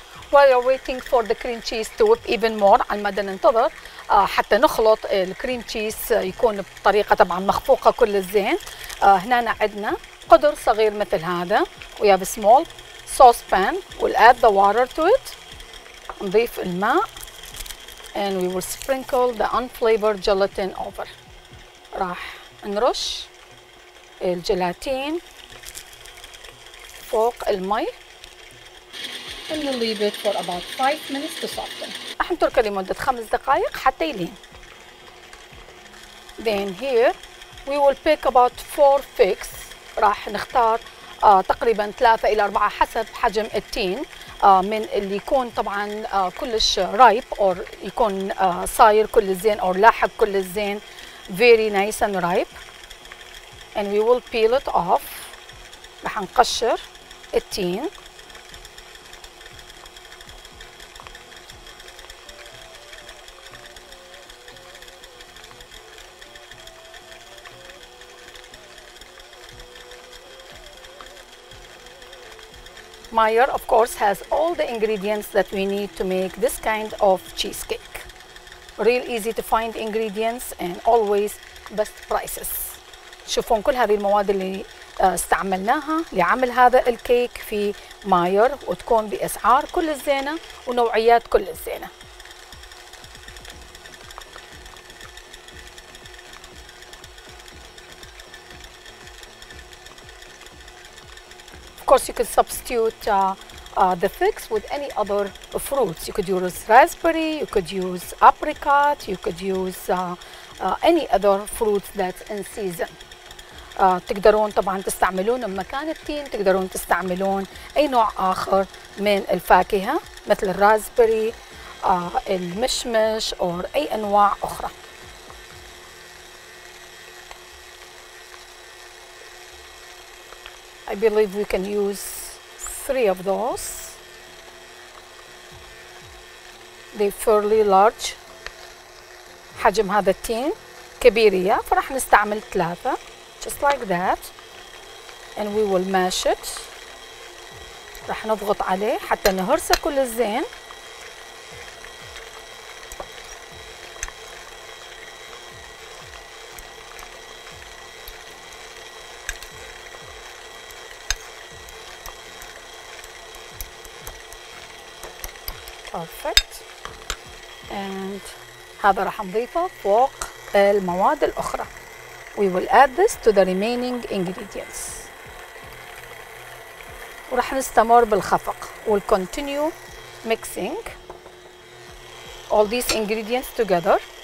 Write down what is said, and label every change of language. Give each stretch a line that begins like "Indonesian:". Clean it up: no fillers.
English: While you're waiting for the cream cheese to whip even more,
Arabic: على مدى ننتظر حتى نخلط الكريم تشيز يكون بطريقة طبعا مخفوقة كل الزين. هنا عندنا قدر صغير مثل هذا.
English: We have a small saucepan. We'll add the water to it.
Arabic: نضيف الماء.
English: And we will sprinkle the unflavored gelatin over.
Arabic: راح نرش الجيلاتين فوق المي.
English: And we'll leave it for about 5 minutes to soften.
Arabic: راح نتركه لمدة 5 دقائق حتى يلين.
English: Then here we will pick about 4 figs.
Arabic: راح نختار تقريبا 3 إلى 4 حسب حجم التين من اللي يكون طبعا كلش
English: ripe or
Arabic: يكون صاير كل الزين or لاحق كل الزين.
English: Very nice and ripe. And we will peel it off.
Arabic: راح نقشر التين.
English: Meyer, of course, has all the ingredients that we need to make this kind of cheesecake. Real easy to find ingredients and always best prices.
Arabic: شوفون كل هذه المواد اللي استعملناها لعمل هذا الكيك في ماير وتكون بأسعار كل الزينة ونوعيات كل الزينة.
English: Of course, you could substitute the figs with any other fruits. You could use raspberry, you could use apricot, you could use any other fruits that's in season.
Arabic: تقدرون طبعا تستعملون مكان التين، تقدرون تستعملون أي نوع آخر من الفاكهة مثل الراسبري، المشمش أو أي أنواع أخرى.
English: I believe we can use 3 of those. They're fairly large.
Arabic: حجم هذا التين كبير يا فرح نستعمل 3
English: just like that. And we will mash it.
Arabic: رح نضغط عليه حتى نهرسه كل الزين.
English: Perfect.
Arabic: And هذا راح نضيفه فوق المواد الأخرى.
English: We will add this to the remaining ingredients.
Arabic: وراح نستمر بالخفق.
English: We'll continue mixing all these ingredients together.